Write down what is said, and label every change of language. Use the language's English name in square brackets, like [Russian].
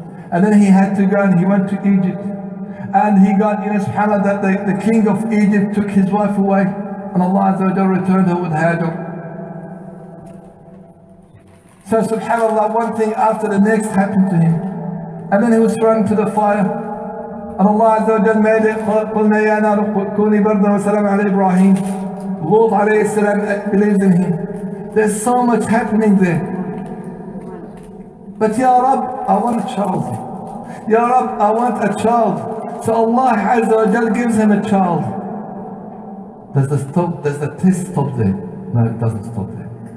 [English] And then he had to go and he went to Egypt. And he got, you know, subhanAllah, that the king of Egypt took his wife away. And Allah Azza wa Jal returned her with Hajar. So subhanAllah, one thing after the next happened to him. And then he was thrown to the fire. And Allah Azza wa Jal made it, [Arabic] قُلْنَا يَا نَارُ كُونِي بَرْدًا وَسَلَامًا عَلَى إِبْرَاهِيمَ. [English] Lut alayhi salam believes in him. There's so much happening there. But Ya Rab, I want a child. Ya Rab, I want a child. So Allah Azza wa Jal gives him a child. Does the test stop there? No, it doesn't stop there.